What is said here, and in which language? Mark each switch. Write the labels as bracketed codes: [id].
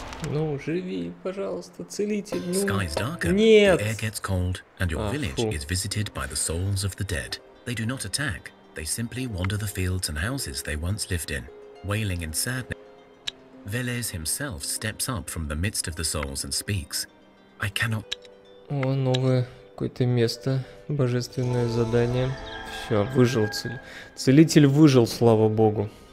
[ru] Ну, живи, пожалуйста, целитель. [en] Скies darken. [ru] Нет. [en] The air gets cold, and your village is visited by the souls of the dead. They do not attack. They simply wander the fields and houses they once lived in, wailing in sadness. Velez himself steps up from the midst of the souls and speaks. I cannot. [ru] О, новое какое-то место, божественное задание. Все, выжил целитель. Целитель выжил, слава богу.